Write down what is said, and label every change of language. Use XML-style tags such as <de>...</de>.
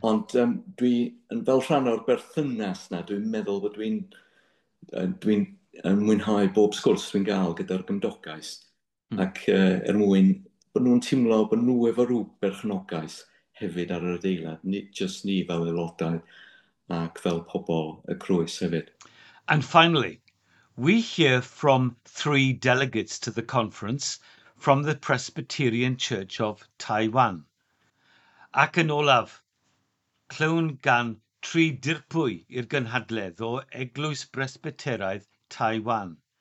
<cy>Ond dwi, fel rhan o'r berthynas na, dwi'n meddwl bod dwi'n mwynhau bob sgwrs dwi'n gael gyda'r gymdogaeth. Ac er mwyn bod nhw'n teimlo bod nhw efo rhyw berchnogaeth hefyd ar yr adeilad, nid jyst ni fel aelodau ac fel pobl y Crwys hefyd.</cy> <en>And finally, we hear from three delegates to the conference from the Presbyterian Church of Taiwan.</en> <cy>Ac yn olaf, clywn gan tri dirpwy i'r gynhadledd o Eglwys Presbyteraidd Taiwan.</cy>